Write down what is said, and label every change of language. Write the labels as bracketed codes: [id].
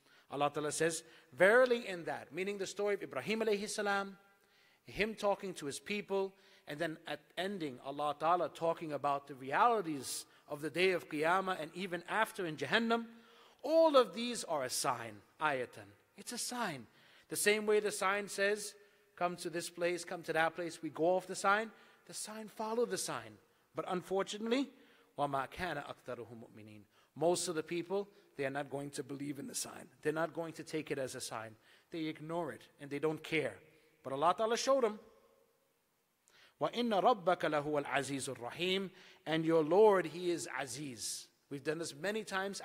[en] Allah Ta'ala says, verily in that, meaning the story of Ibrahim alayhi salam, him talking to his people, and then at ending, Allah Ta'ala talking about the realities of the day of Qiyamah and even after in Jahannam, all of these are a sign, ayatan. It's a sign. The same way the sign says, come to this place, come to that place, we go off the sign follow the sign. But unfortunately, [ar] وَمَا كَانَ أَكْثَرُهُم مُؤْمِنِينَ. [en] Most of the people, they are not going to believe in the sign. They're not going to take it as a sign. They ignore it and they don't care. But Allah Ta'ala showed them, [ar] وَإِنَّ رَبَّكَ لَهُوَ الْعَزِيزُ الرَّحِيمُ. [en] And your Lord, he is Aziz. We've done this many times.